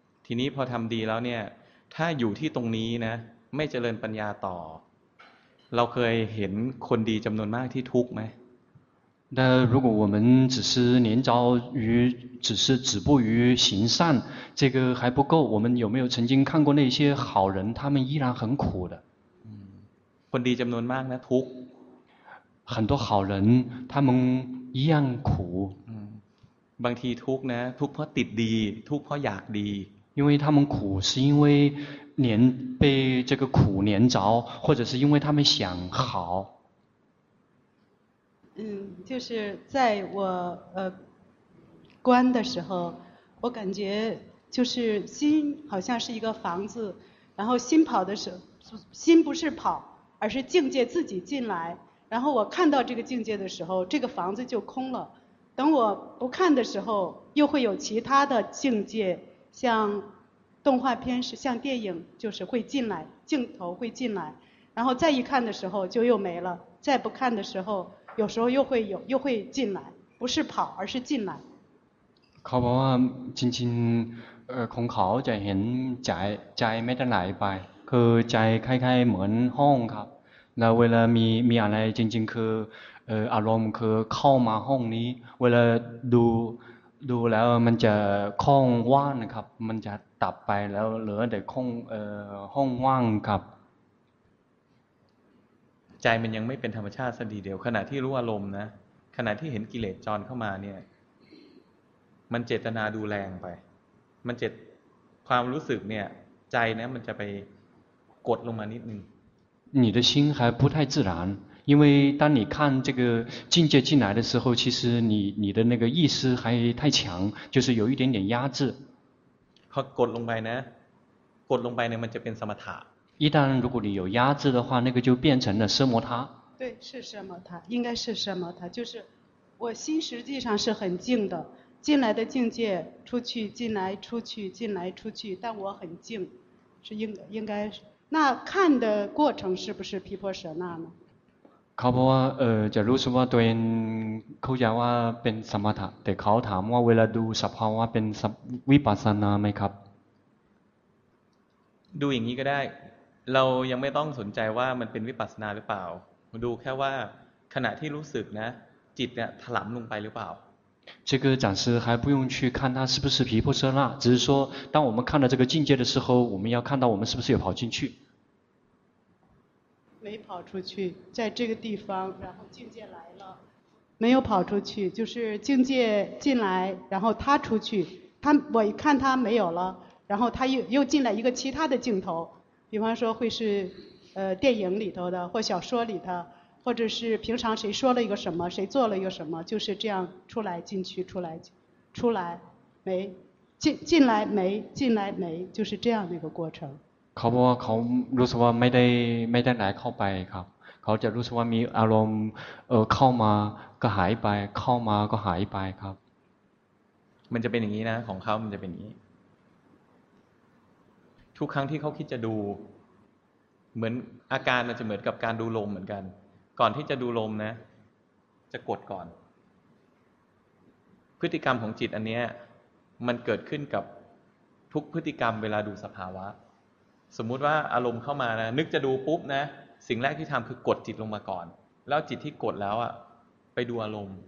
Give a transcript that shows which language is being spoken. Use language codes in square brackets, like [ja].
[th] ทีนี้พอทำดีแล้วเนี่ยถ้าอยู่ที่ตรงนี้นะไม่เจริญปัญญาต่อเราเคยเห็นคนดีจำนวนมากที่ทุกข์ไหม แต่ [zh] 如果我们只是连着于只是止步于行善这个还不够我们有没有曾经看过那些好人他们依然很苦的 [th] คนดีจำนวนมากนะทุก [zh] 很多好人他们一样苦 [th] บางทีทุกนะทุกเพราะติดดีทุกเพราะอยากดี [zh] 因为他们苦是因为连被这个苦连着或者是因为他们想好就是在我关的时候我感觉就是心好像是一个房子然后心跑的时候心不是跑而是境界自己进来然后我看到这个境界的时候这个房子就空了等我不看的时候又会有其他的境界像动画片像电影就是会进来镜头会进来然后再一看的时候就又没了再不看的时候有时候又会进来不是跑而是进来 [th] เขาบอกว่าจริงๆของเขาจะเห็นใจไม่ได้ไหลไปคือใจคล้ายๆเหมือนห้องครับแล้วเวลามีอะไรจริงๆคืออารมณ์คือเข้ามาห้องนี้เวลาดูแล้วมันจะคล่องว่างนะครับมันจะตับไปแล้วเหลือแต่คล่องห้องว่างครับ ใจมันยังไม่เป็นธรรมชาติซะดีเดียวขณะที่รู้อารมณ์นะขณะที่เห็นกิเลสจรเข้ามาเนี่ยมันเจตนาดูแรงไปมันเจตความรู้สึกเนี่ยใจนะมันจะไปกดลงมานิดนึง [zh] 你的心还不太自然因为当你看这个境界进来的时候其实你的那个意识还太强就是有一点点压制 [th] พอกดลงไปนะกดลงไปเนี่ยมันจะเป็นสมถะ [zh] 一旦如果你有压制的话那个就变成了奢摩他对是奢摩他应该是奢摩他就是我心实际上是很静的进来的境界出去进来出去进来出去但我很静是应该那看的过程是不是毗婆舍那呢 [th] ขาบอกว่าจะรู้สึกว่าตัวเองเข้าใจว่าเป็นสมถะแต่เขาถามว่าเวลาดูสภาวะเป็นวิปัสสนาไหมครับ ดูอย่างนี้ก็ได้เรายังไม่ต้องสนใจว่ามันเป็นวิปัสสนาหรือเปล่าดูแค่ว่าขณะที่รู้สึกนะจิตเนี่ยถลำลงไปหรือเปล่า [zh] 这个暂时还不用去看它是不是皮破色纳只是说当我们看到这个境界的时候我们要看到我们是不是有跑进去没跑出去在这个地方然后境界来了没有跑出去就是境界进来然后他出去他我一看他没有了然后他 又进来一个其他的镜头比方说会是电影里头的或小说里的或者是平常谁说了一个什么谁做了一个什么就是这样出来进去出来出来没 进来没进来没就是这样的一个过程 [th] เขาบอกว่าเขารู้สึกว่าไม่ได้ไหลเข้าไปครับเขาจะรู้สึกว่ามีอารมณ์เข้ามาก็หายไปเข้ามาก็หายไปครับ มันจะเป็นอย่างนี้นะของเขามันจะเป็นอย่างนี้ทุกครั้งที่เขาคิดจะดูเหมือนอาการมันจะเหมือนกับการดูลมเหมือนกันก่อนที่จะดูลมนะจะกดก่อนพฤติกรรมของจิตอันนี้มันเกิดขึ้นกับทุกพฤติกรรมเวลาดูสภาวะสมมุติว่าอารมณ์เข้ามานะนึกจะดูปุ๊บนะสิ่งแรกที่ทำคือกดจิตลงมาก่อนแล้วจิตที่กดแล้วอ่ะไปดูอารมณ